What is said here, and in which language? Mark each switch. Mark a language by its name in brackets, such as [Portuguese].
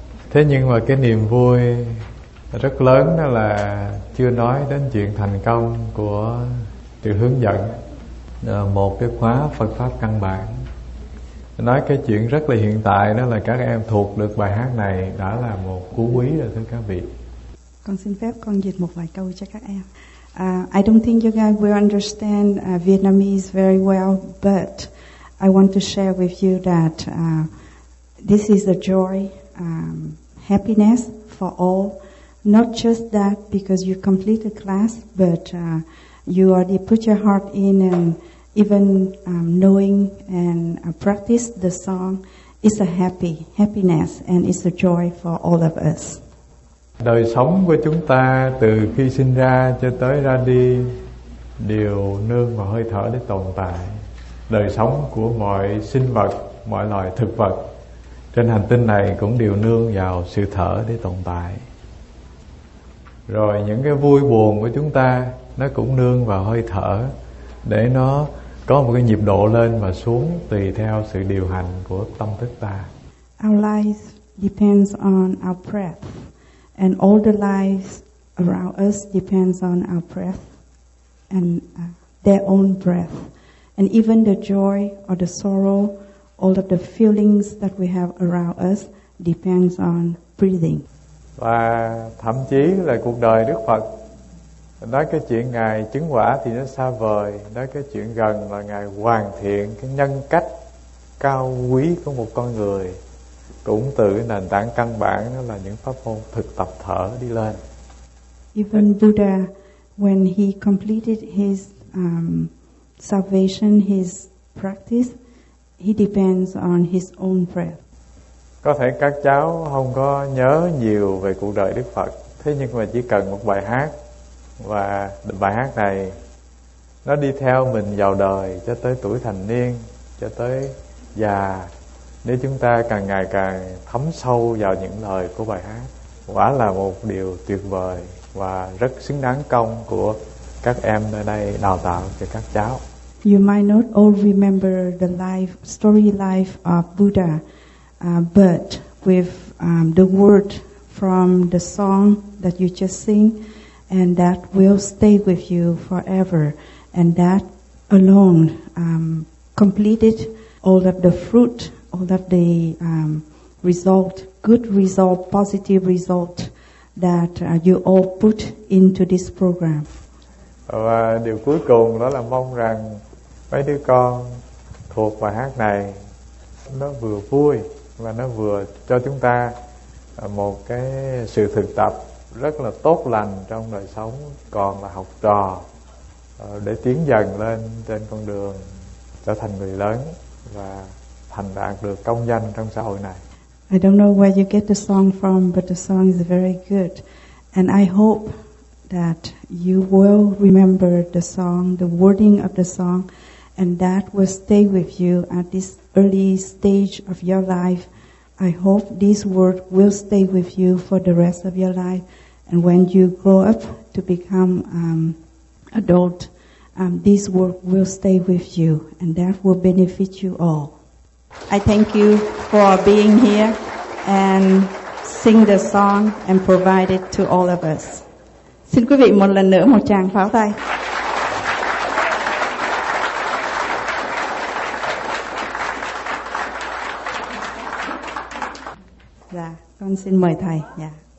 [Vietnamese] Thế nhưng mà cái niềm vui rất lớn đó là chưa nói đến chuyện thành công của từ hướng dẫn một cái khóa Phật Pháp căn bản. Nói cái chuyện rất là hiện tại đó là các em thuộc được bài hát này đã là một cú quý rồi thưa các vị. Con xin phép con dịch một vài câu cho các em. [English] I don't think you guys will understand Vietnamese very well, but I want to share with you that this is a joy, happiness for all. Not just that because you complete a class, but you already put your heart in and even knowing and practice the song is a happiness and it's a joy for all of us. [Vietnamese] Đời sống của chúng ta từ khi sinh ra cho tới ra đi đều nương vào hơi thở để tồn tại. Đời sống của mọi sinh vật, mọi loài thực vật trên hành tinh này cũng đều nương vào sự thở để tồn tại. Rồi những cái vui buồn của chúng ta nó cũng nương vào hơi thở để nó có một cái nhịp độ lên và xuống tùy theo sự điều hành của tâm thức ta. [English] Our life depends on our breath. And all the lives around us depends on our breath and their own breath. And even the joy or the sorrow, all of the feelings that we have around us depends on breathing. [Vietnamese] Và thậm chí là cuộc đời Đức Phật, nói cái chuyện Ngài chứng quả thì nó xa vời, nói cái chuyện gần là Ngài hoàn thiện cái nhân cách cao quý của một con người. Cũng từ cái nền tảng căn bản đó là những pháp môn thực tập thở đi lên. [English] Even Buddha, when he completed his salvation, his practice, he depends on his own breath. [Vietnamese] Có thể các cháu không có nhớ nhiều về cuộc đời Đức Phật, thế nhưng mà chỉ cần một bài hát, và bài hát này nó đi theo mình vào đời cho tới tuổi thành niên, cho tới già. Nếu chúng ta càng ngày càng thấm sâu vào những lời của bài hát, quả là một điều tuyệt vời và rất xứng đáng công của các em ở đây đào tạo cho các cháu. [English] You might not all remember the life, story life of Buddha, but with the word from the song that you just sing, and that will stay with you forever, and that alone completed all of the fruit, all of the result, good result, positive result that you all put into this program. [Vietnamese] Và điều cuối cùng đó là mong rằng mấy đứa con thuộc bài hát này nó vừa vui và nó vừa cho chúng ta một cái sự thực tập rất là tốt lành trong đời sống còn là học trò để tiến dần lên trên con đường trở thành người lớn và thành đạt được công danh trong xã hội này. [English] I don't know where you get the song from, but the song is very good. And I hope that you will remember the song, the wording of the song, and that will stay with you at this early stage of your life. I hope this word will stay with you for the rest of your life. And when you grow up to become adult, this word will stay with you, and that will benefit you all. I thank you for being here and sing the song and provide it to all of us. [Vietnamese] Xin quý vị một lần nữa một tràng pháo tay. Dạ, con xin mời thầy. Dạ.